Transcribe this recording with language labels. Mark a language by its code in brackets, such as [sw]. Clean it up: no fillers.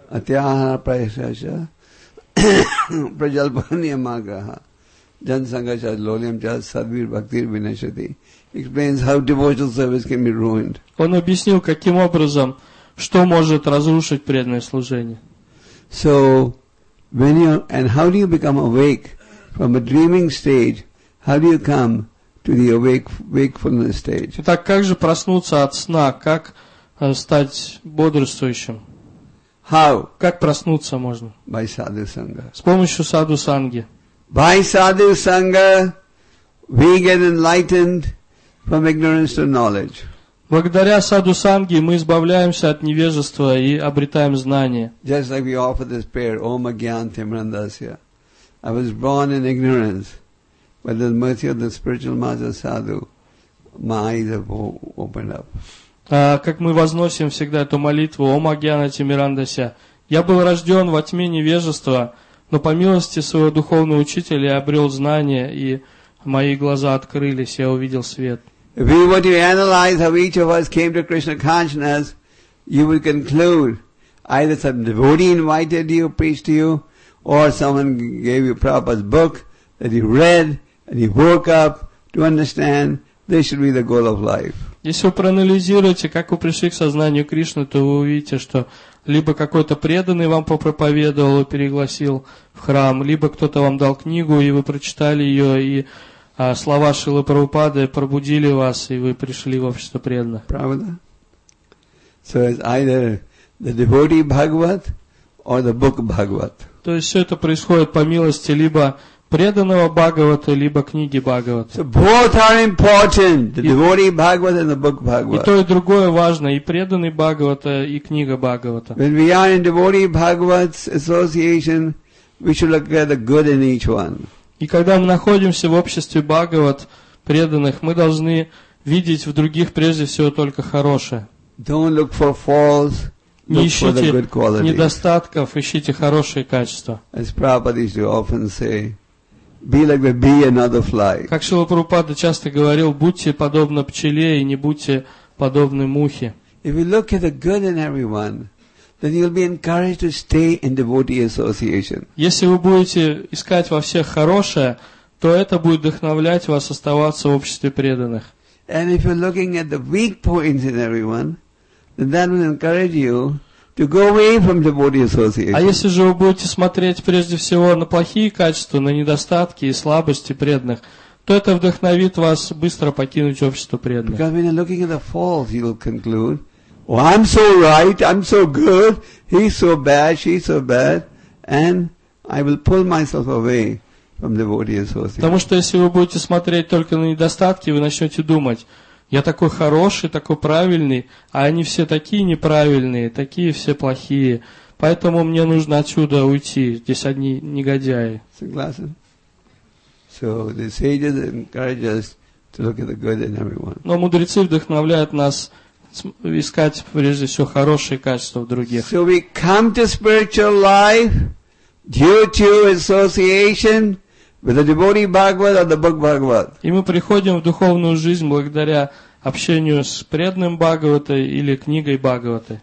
[sa] Атьяхара прайшаша прайжалбанья магаха джансангача лолиям час садвир бхактир винашати. [en] Explains how devotional service can be ruined. [ru] Он объяснил, каким образом, что может разрушить преданное служение. [en] So, when you, and how do you become awake from a dreaming stage? How do you come to the wakefulness stage? [ru] Итак, как же проснуться от сна? Как стать бодрствующим? [en] How? [ru] Как проснуться можно? [en] By sadhu sangha. [ru] С помощью саду санги. [en] By sadhu sangha, we get enlightened. From ignorance to knowledge. [ru] Благодаря саду санги мы избавляемся от невежества и обретаем знания. [en] Just like we offer this prayer, [sa] Om Agyan Timrandasya. [en] I was born in ignorance, but the mercy of the spiritual master sadhu, my eyes have opened up. [ru] Как мы возносим всегда эту молитву, [sa] Om Agyan Timrandasya. [ru] Я был рожден во тьме невежества, но по милости своего духовного учителя я обрел знания и мои глаза открылись, я увидел свет. [en] If we were to analyze how each of us came to Krishna consciousness, you would conclude either some devotee invited you, preached to you, or someone gave you Prabhupada's book that you read and you woke up to understand this should be the goal of life. [ru] Если вы проанализируете, как вы пришли к сознанию Кришны, то вы увидите, что либо какой-то преданный вам попроповедовал и пригласил в храм, либо кто-то вам дал книгу, и вы прочитали ее, и слова Шрилы Прабхупады пробудили вас, и вы пришли в общество преданных. Правда? [en] So it's either the devotee Bhagavat or the book Bhagavat. [ru] То есть все это происходит по милости либо преданного Бхагавата, либо книги Бхагавата. [en] So both are important, the devotee Bhagavat and the book Bhagavat. [ru] И то, и другое важно, и преданный Бхагавата, и книга Бхагавата. [en] When we are in devotee Bhagavat's association, we should look at the good in each one. [ru] И когда мы находимся в обществе Бхагават, преданных, мы должны видеть в других прежде всего только хорошее. [en] Don't look for faults. [ru] Не ищите недостатков, ищите хорошие качества. [en] As Prabhupada used to often say, be like the bee and not the fly. [ru] Как Шрила Прабхупада часто говорил, будьте подобно пчеле и не будьте подобны мухе. [en] If you look at the good in everyone, then you'll be encouraged to stay in devotee association. [ru] Если вы будете искать во всех хорошее, то это будет вдохновлять вас оставаться в обществе преданных. [en] And if you're looking at the weak points in everyone, then that will encourage you to go away from devotee association. [ru] А если же вы будете смотреть прежде всего на плохие качества, на недостатки и слабости преданных, то это вдохновит вас быстро покинуть общество преданных. [en] Because when you're looking at the faults, you'll conclude, oh, I'm so right, I'm so good, he's so bad, she's so bad, and I will pull myself away from devotee association. [ru] Потому что если вы будете смотреть только на недостатки, вы начнете думать, я такой хороший, такой правильный, а они все такие неправильные, такие все плохие. Поэтому мне нужно отсюда уйти. Здесь одни негодяи. Согласен? [en] So the sages encourage us to look at the good in everyone. [ru] Но мудрецы вдохновляют нас искать прежде всего хорошие качества в других. [en] So we come to spiritual life due to association. With the devotee Bhagavat or the book Bhagavat. [ru] И мы приходим в духовную жизнь благодаря общению с преданным Бхагаватой или книгой Бхагаваты.